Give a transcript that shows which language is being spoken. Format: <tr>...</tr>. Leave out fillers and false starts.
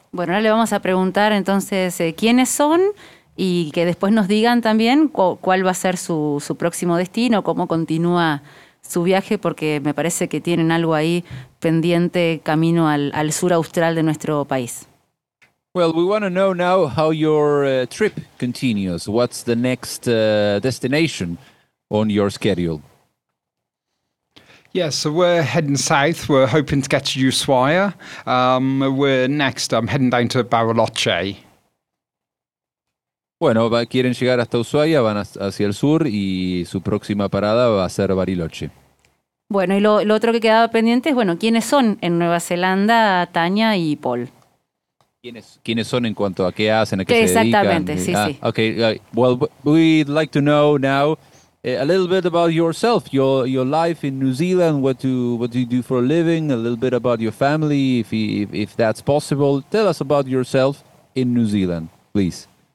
<es>Bueno, ahora le vamos a preguntar entonces quiénes son y que después nos digan también cuál va a ser su próximo destino, cómo continúa su viaje, porque me parece que tienen algo ahí pendiente camino al sur austral de nuestro país.</es> <en>Well, we want to know now how your trip continues. What's the next destination on your schedule? Yeah, so we're heading south. We're hoping to get to Ushuaia. We're next. I'm heading down to Bariloche.</en> <es>Bueno, quieren llegar hasta Ushuaia, van hacia el sur y su próxima parada va a ser Bariloche. Bueno, y lo otro que quedaba pendiente es, bueno, ¿quiénes son en Nueva Zelanda, Tania y Paul? ¿Quiénes son en cuanto a qué hacen, a qué se dedican? Exactamente, sí, sí.</es> <en>Okay, well, we'd like to know now a little bit about yourself, your life in New Zealand, what do you do for a living, a little bit about your family, if that's possible. Tell us about yourself in New Zealand, please.</en>